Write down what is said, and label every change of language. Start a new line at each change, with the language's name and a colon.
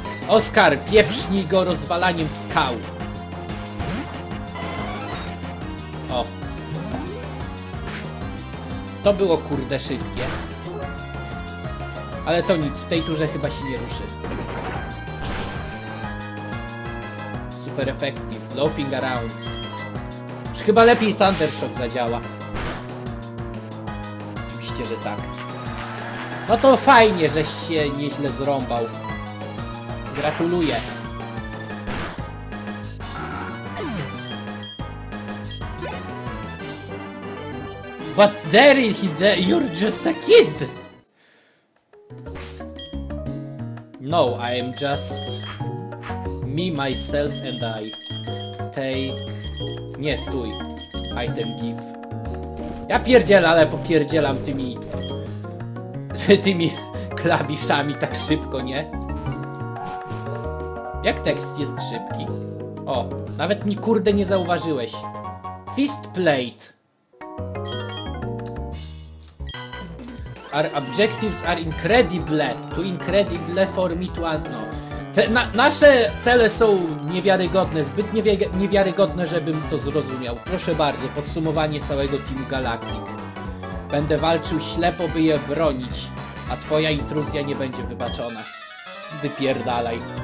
Polish: Oskar, pieprznij go rozwalaniem skał! To było kurde szybkie. Ale to nic, w tej turze chyba się nie ruszy.
English: Super effective, loafing around.
Polish: Już chyba lepiej Thundershock zadziała. Oczywiście, że tak. No to fajnie, żeś się nieźle zrąbał. Gratuluję.
English: But there is the, you're just a kid! No, I am just... Me, myself and I. Take...
Polish: Nie, stój.
English: Item give.
Polish: Ja pierdzielę, ale popierdzielam tymi... Tymi klawiszami tak szybko, nie? Jak tekst jest szybki? O, nawet mi kurde nie zauważyłeś.
English: Fist plate. Our objectives are incredible. Too incredible for me to know.
Polish: Nasze cele są niewiarygodne, zbyt niewiarygodne, żebym to zrozumiał. Proszę bardzo, podsumowanie całego Team Galactic. Będę walczył ślepo, by je bronić, a twoja intruzja nie będzie wybaczona. Wypierdalaj.